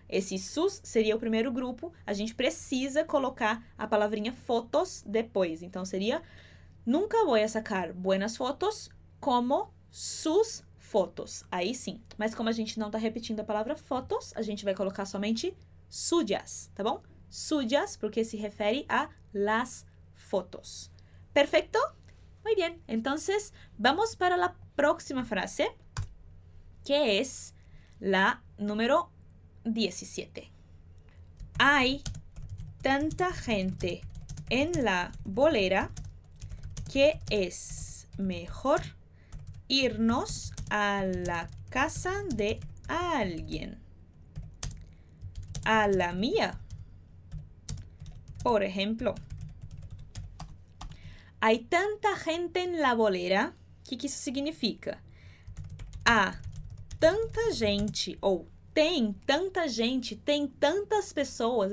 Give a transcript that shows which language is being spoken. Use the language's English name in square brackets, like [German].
[Portuguese] Esse sus seria o primeiro grupo, a gente precisa colocar a palavrinha fotos depois. Então seria, [Spanish] nunca voy a sacar buenas fotos como sus fotos, [Portuguese] aí sim. Mas como a gente não tá repetindo a palavra fotos, a gente vai colocar somente suyas, tá bom? Suyas, porque se refere a las fotos. [Spanish] Perfeito? Muy bien. Entonces, vamos para la próxima frase, que es la número 17. Hay tanta gente en la bolera que es mejor irnos a la casa de alguien, a la mía, por ejemplo. Hay tanta gente en la bolera. [Portuguese] O que isso significa? Há tanta gente, ou tem tanta gente, tem tantas pessoas.